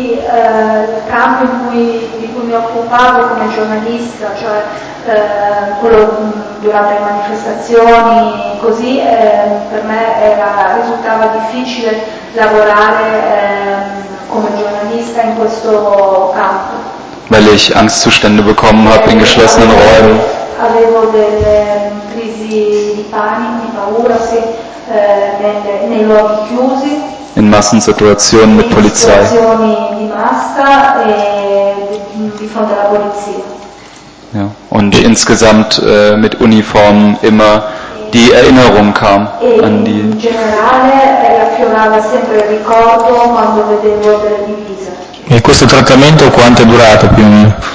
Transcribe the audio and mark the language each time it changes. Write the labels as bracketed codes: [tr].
[it] il campo di cui mi occupavo come giornalista, cioè quello durante le manifestazioni, così per me risultava difficile lavorare come giornalista in questo campo. [de] Weil ich Angstzustände bekommen habe in geschlossenen Räumen. [it] Avevo delle crisi di panico, di paura, sì, nei luoghi chiusi. [de] In Massensituationen mit Polizei. [it] In situazioni di massa e di fronte alla polizia. [de] Ja, und insgesamt mit Uniformen immer die Erinnerung kam an die. [it] In generale raffiorava sempre il ricordo quando vedevo delle divise. E questo trattamento quanto è durato più o meno?